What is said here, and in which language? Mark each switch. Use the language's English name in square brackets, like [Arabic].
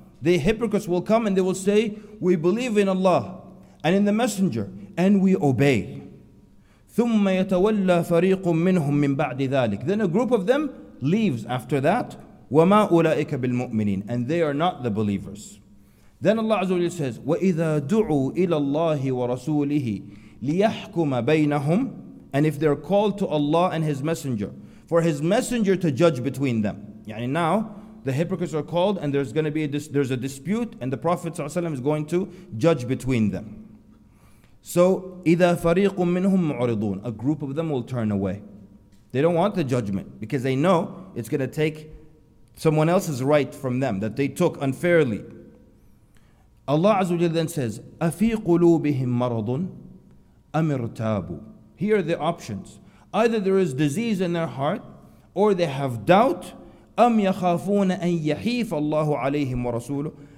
[English] The hypocrites will come and they will say, we believe in Allah and in the Messenger and we obey. [Arabic] ثُمَّ يَتَوَلَّى فَرِيقٌ مِّنْهُم مِّن بَعْدِ ذَلِكَ. [English] Then a group of them leaves after that. [Arabic] وَمَا أُولَئِكَ بِالْمُؤْمِنِينَ. [English] And they are not the believers. Then Allah Azza wa Jalla says, [Arabic] وَإِذَا دُعُوا إِلَى اللَّهِ وَرَسُولِهِ لِيَحْكُمَ بَيْنَهُمْ. [English] And if they're called to Allah and His Messenger, for His Messenger to judge between them. Yani now, the hypocrites are called and there's going to be a dispute and the Prophet ﷺ is going to judge between them. [Arabic] So, إِذَا فَرِيقٌ مِّنْهُمْ مُعْرِضُونَ. [English] A group of them will turn away. They don't want the judgment because they know it's going to take someone else's right from them that they took unfairly. Allah Azza wa Jalla then says, [Arabic] أَفِي قُلُوبِهِمْ مَرَضٌ أَمِرْتَابُ. [English] Here are the options. Either there is disease in their heart, or they have doubt, [Arabic] أَمْ يَخَافُونَ أَنْ يَحِيفَ اللَّهُ عَلَيْهِمْ وَرَسُولُهُ.